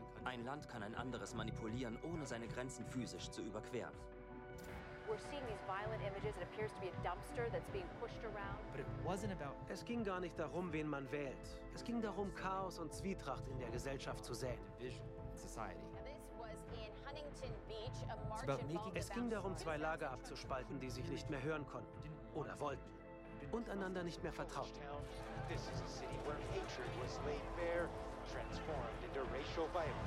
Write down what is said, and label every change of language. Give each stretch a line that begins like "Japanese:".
German: Ein Land kann ein anderes manipulieren, ohne seine Grenzen physisch zu überqueren.
English: We're seeing these violent images. It appears to be a dumpster that's being pushed around. But it wasn't about.
German: Es ging gar nicht darum, wen man wählt. Es ging darum, Chaos und Zwietracht in der Gesellschaft zu säen.
English: Society. This was in Huntington Beach, a march. It's about making.
German: Es ging darum, zwei Lager abzuspalten, die sich nicht mehr hören konnten oder wollten. Und einander nicht mehr vertraut.
English: This is a city where hatred was laid bare, transformed into racial violence.